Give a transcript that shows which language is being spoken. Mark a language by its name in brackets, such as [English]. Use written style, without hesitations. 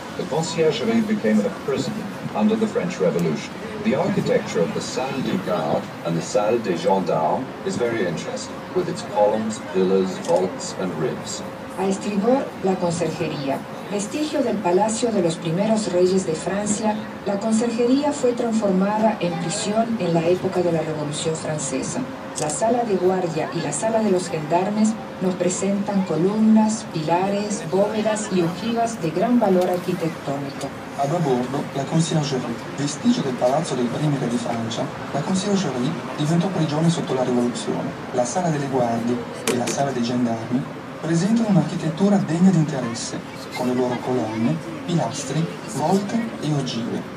[English] The conciergerie became a prison under the French Revolution. The architecture of the Salle des Gardes and the Salle des Gendarmes is very interesting, with its columns, pillars, vaults, and ribs. [Spanish] A estribor, la conserjería. Vestigio del palacio de los primeros reyes de Francia, la conserjería fue transformada en prisión en la época de la Revolución Francesa. La sala de guardia y la sala de los gendarmes nos presentan columnas, pilares, bóvedas y ojivas de gran valor arquitectónico. [Italian] A babordo, la conciergerie, vestigio del palazzo del primi re di Francia, la conciergerie diventò prigione sotto la rivoluzione. La sala delle guardie e la sala dei gendarmi presentano un'architettura degna di interesse, con le loro colonne, pilastri, volte e ogive.